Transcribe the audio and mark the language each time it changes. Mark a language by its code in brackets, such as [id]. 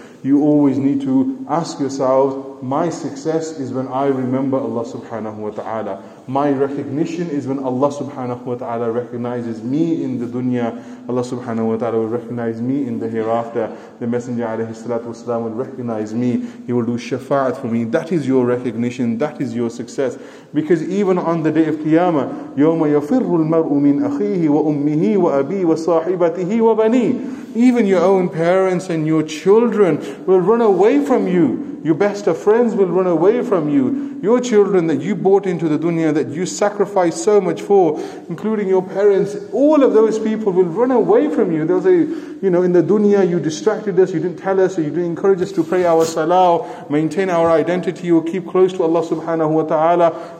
[en] You always need to ask yourself, my success is when I remember Allah subhanahu wa ta'ala. My recognition is when Allah subhanahu wa ta'ala recognizes me in the dunya. Allah subhanahu wa ta'ala will recognize me in the hereafter. The Messenger alayhi salatu wasalam will recognize me. He will do shafa'at for me. That is your recognition. That is your success. Because even on the day of Qiyamah, [ar] يَوْمَ يَفِرُّ الْمَرْءُ مِنْ أَخِيهِ وَأُمِّهِ وَأَبِيهِ وَصَاحِبَتِهِ وَبَنِيهِ. [en] Even your own parents and your children will run away from you. Your best of friends will run away from you. Your children that you brought into the dunya, that you sacrificed so much for, including your parents, all of those people will run away from you. They'll say, you know, in the dunya you distracted us, you didn't tell us, or you didn't encourage us to pray our salah, maintain our identity, or keep close to Allah subhanahu wa ta'ala.